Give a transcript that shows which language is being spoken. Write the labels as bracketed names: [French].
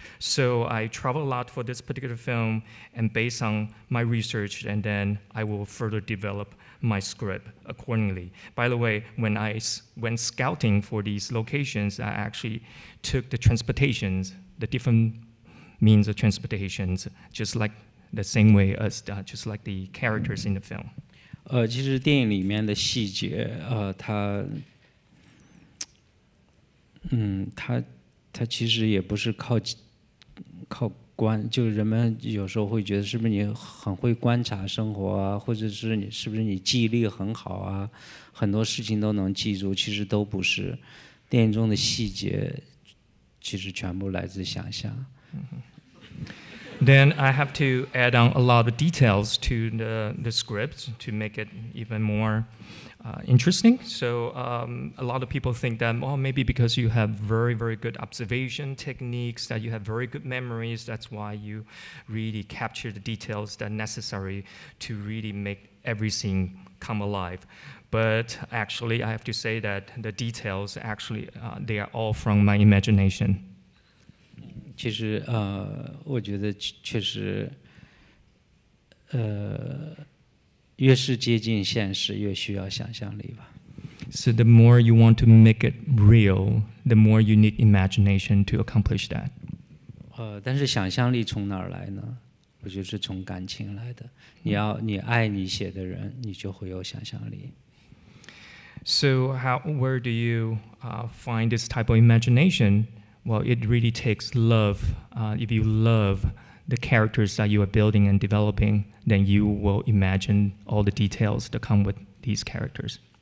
[English] So I travel a lot for this particular film, and based on my research, and then I will further develop my script accordingly. By the way, when scouting for these locations, I actually took the transportations, the different means of transportations, just like the same way as just like the characters in the film. [Chinese] 其实电影里面的细节，它其实也不是靠观，就人们有时候会觉得是不是你很会观察生活啊，或者是你是不是你记忆力很好啊，很多事情都能记住，其实都不是。电影中的细节其实全部来自想象。 [English] Then I have to add on a lot of details to the script to make it even more interesting. So a lot of people think that, well, maybe because you have very, very good observation techniques, that you have very good memories, that's why you really capture the details that are necessary to really make everything come alive. But actually, I have to say that the details, actually, they are all from my imagination. [Chinese] 其实我觉得确实越是接近现实越需要想象力吧。 [English] So the more you want to make it real, the more you need imagination to accomplish that. [Chinese] 但是想象力从哪儿来呢？我觉得是从感情来的。你爱你写的人，你就会有想象力。 [English] So where do you find this type of imagination? Well, it really takes love. If you love the characters that you are building and developing, then you will imagine all the details that come with these characters.